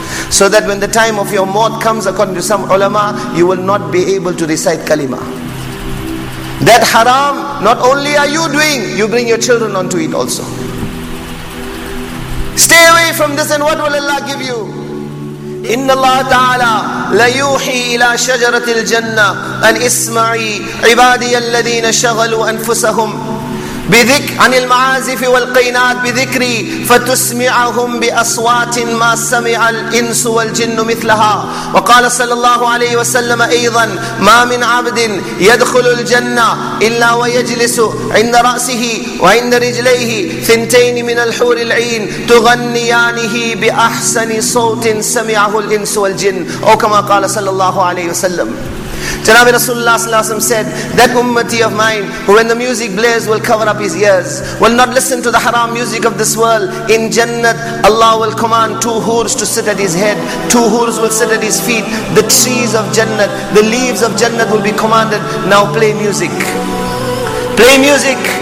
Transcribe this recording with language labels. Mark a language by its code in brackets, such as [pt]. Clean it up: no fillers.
[en] So that when the time of your maut comes, according to some ulama, you will not be able to recite kalima. That haram, not only are you doing, you bring your children onto it also. Stay away from this, and what will Allah give you? [ar] إن الله تعالى لا يوحي إلى شجرة الجنة أن اسمعي عبادي الذين شغلوا أنفسهم بذكر عن المعازف والقينات بذكري فتسمعهم بأصوات ما سمع الإنس والجن مثلها. وقال صلى الله عليه وسلم أيضا ما من عبد يدخل الجنة إلا ويجلس عند رأسه وعند رجليه ثنتين من الحور العين تغنيانه بأحسن صوت سمعه الإنس والجن أو كما قال صلى الله عليه وسلم. [en] Janabi Rasulullah sallallahu alaihi wasallam said, that ummati of mine who when the music blares will cover up his ears, will not listen to the haram music of this world, in Jannat Allah will command two hoors to sit at his head, two hoors will sit at his feet, the trees of Jannat, the leaves of Jannat will be commanded, now play music. Play music.